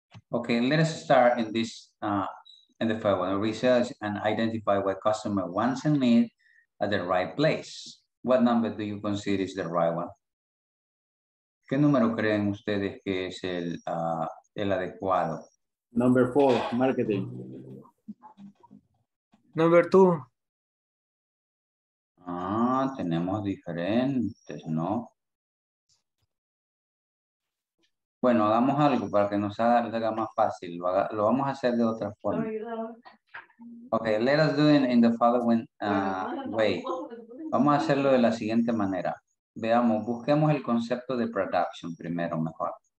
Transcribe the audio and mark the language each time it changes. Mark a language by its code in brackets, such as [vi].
[en] Ok, let us start in this, in the first one. Research and identify what customer wants and needs at the right place. What number do you consider is the right one? [es] ¿Qué número creen ustedes que es el, el adecuado? [en] Number 4, marketing. Number 2. [es] Ah, tenemos diferentes, ¿no? Bueno, hagamos algo para que nos haga más fácil. Lo vamos a hacer de otra forma. [en] Ok, let us do it in the following way. [es] Vamos a hacerlo de la siguiente manera. Veamos, busquemos el concepto de production primero, mejor.